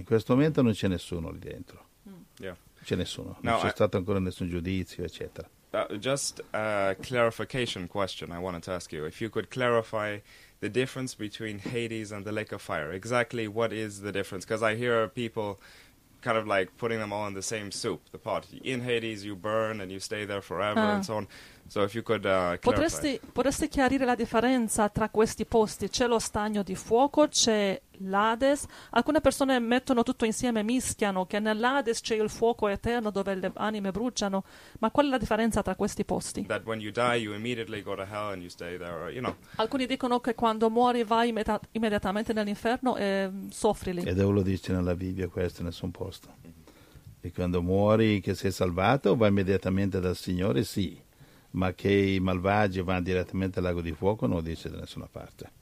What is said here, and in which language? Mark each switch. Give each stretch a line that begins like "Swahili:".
Italian: In questo momento non c'è nessuno lì dentro. C'è nessuno.
English: Now,
Italian: non c'è stato ancora nessun giudizio, eccetera.
English: Just a clarification question I wanted to ask you. If you could clarify the difference between Hades and the lake of fire. Exactly what is the difference? Because I hear people kind of like putting them all in the same soup, the pot. In Hades you burn and you stay there forever and so on. So if you could clarify.
Italian: Potresti chiarire la differenza tra questi posti? C'è lo stagno di fuoco, c'è l'Hades. Alcune persone mettono tutto insieme, mischiano, che nell'Hades c'è il fuoco eterno dove le anime bruciano. Ma qual è la differenza tra questi posti?
English: That when you die you immediately go to hell and you stay there, or, you know.
Italian: Alcuni dicono che quando muori vai immediatamente nell'inferno e soffri lì. E Dio lo dice nella Bibbia questo, nessun posto. E quando muori, che sei salvato, vai immediatamente dal Signore, sì. Ma che i malvagi vanno direttamente al lago di fuoco non lo dice da nessuna parte.